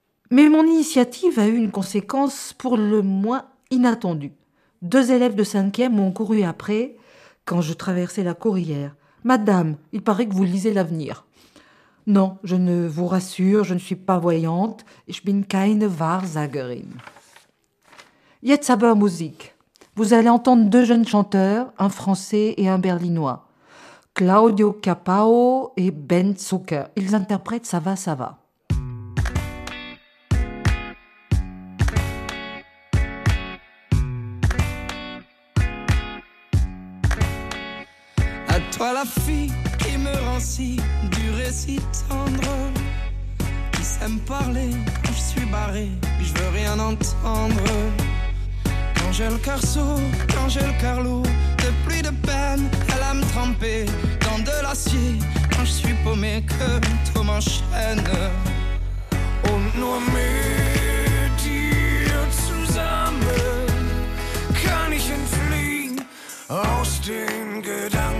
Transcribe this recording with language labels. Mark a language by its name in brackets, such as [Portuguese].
[French] Mais mon initiative a eu une conséquence pour le moins inattendue. Deux élèves de 5e m'ont couru après quand je traversais la cour hier. « Madame, il paraît que vous lisez l'avenir. » « Non, je ne vous rassure, je ne suis pas voyante. [German] Ich bin keine Wahrsagerin. » Jetzt aber Musik. [French] Vous allez entendre deux jeunes chanteurs, un français et un berlinois. Claudio Capao et Ben Zucker. Ils interprètent « Ça va, ça va ». Toi la fille qui me rend si dur et si tendre, qui s'aime parler, je suis barré, je veux rien entendre. Quand j'ai le cœur sourd, quand j'ai le cœur lourd, de pluie de peine, elle aime tremper dans de l'acier, quand je suis paumé, que tout m'enchaîne. [German] Oh, nur mit dir zusammen kann ich entfliehen aus den Gedanken.